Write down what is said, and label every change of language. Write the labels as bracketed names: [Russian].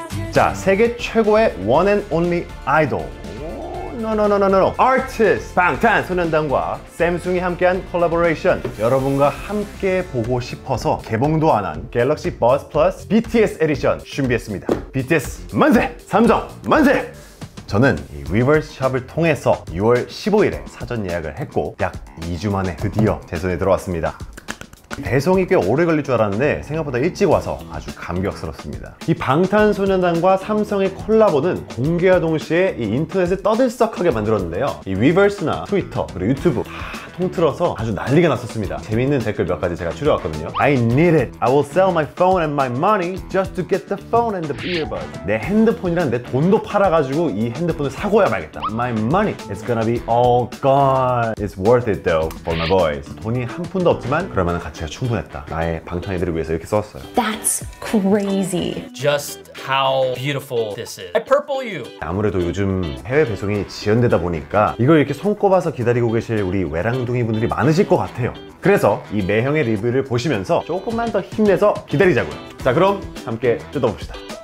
[Korean] 자, 세계 최고의 [English] one and only idol. No. [Korean] artist 방탄소년단과 샘슝이 함께한 콜라보레이션. 여러분과 함께 보고 싶어서 개봉도 안 한 갤럭시 버즈 플러스 BTS 에디션 준비했습니다. BTS 만세! 삼성 만세! 저는 이 리버스 샵을 통해서 6월 15일에 사전 예약을 했고 약 2주 만에 드디어 제 손에 들어왔습니다. 배송이 꽤 오래 걸릴 줄 알았는데 생각보다 일찍 와서 아주 감격스럽습니다. 이 방탄소년단과 삼성의 콜라보는 공개와 동시에 이 인터넷을 떠들썩하게 만들었는데요. 이 위버스나 트위터 그리고 유튜브 다 통틀어서 아주 난리가 났었습니다. 재밌는 댓글 몇 가지 제가 추려왔거든요. [English] I need it. I will sell my phone and my money just to get the phone and the earbuds. [Korean] 내 핸드폰이랑 내 돈도 팔아가지고 이 핸드폰을 사고야 말겠다. [English] My money is gonna be all gone. It's worth it though for my boys. [Korean] 돈이 한 푼도 없지만 그럴만한 가치가 충분했다. 나의 방탄이들을 위해서 이렇게 썼어요. [English] That's crazy. Just how beautiful this is. I purple you. [Korean] 아무래도 요즘 해외 배송이 지연되다 보니까 이걸 이렇게 손꼽아서 기다리고 계실 우리 외랑 둥이 분들이 많으실 것 같아요. 그래서 이 매형의 리뷰를 보시면서 조금만 더 힘내서 기다리자고요. 자, 그럼 함께 뜯어봅시다.